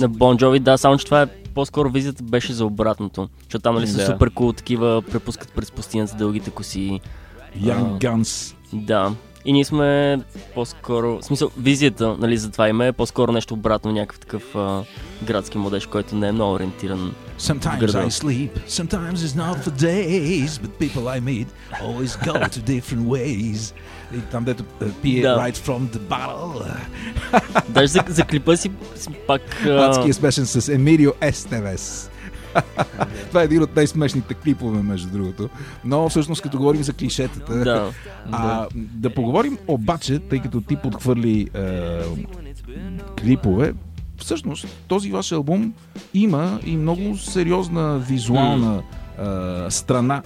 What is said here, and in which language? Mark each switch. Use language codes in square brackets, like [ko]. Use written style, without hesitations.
[bg] На Bon Jovi, да, само че това е по-скоро визията беше за обратното. Защото там ли са супер кул, такива препускат през пустинята дългите коси. Young Guns. Да. И ние сме по-скоро... В смисъл, визията, нали, за това име е по-скоро нещо обратно, някакъв такъв градски младеж, който не е много ориентиран. [en] Sometimes I sleep, sometimes it's not for days, but people I meet always go to different ways. [bg] И там дето пие [en] right from the bottle. [bg] Даже за клипа си пак... Адския смешен с Emilio Estevez. Това е един от най-смешните клипове, между другото. Но всъщност, като говорим за клишетата, да поговорим обаче, тъй като ти подхвърли клипове, всъщност този ваш албум има и много сериозна визуална страна.